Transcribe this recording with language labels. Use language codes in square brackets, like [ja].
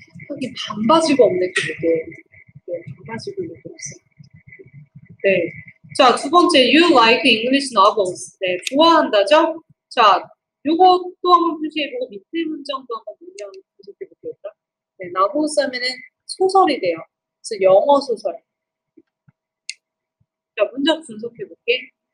[ko] 여기 반바지가 없네, 교복에. 반바지가 없어. 네. 자, 두 번째, [en] you like English novels. [ko] 네, 좋아한다죠? 자, 요것도 한번 표시해보고, 밑에 문장도 한번 문장 표시해볼게요. 네, novels 하면은 소설이 돼요. 그래서 영어 소설. 자, 문장 분석해볼게.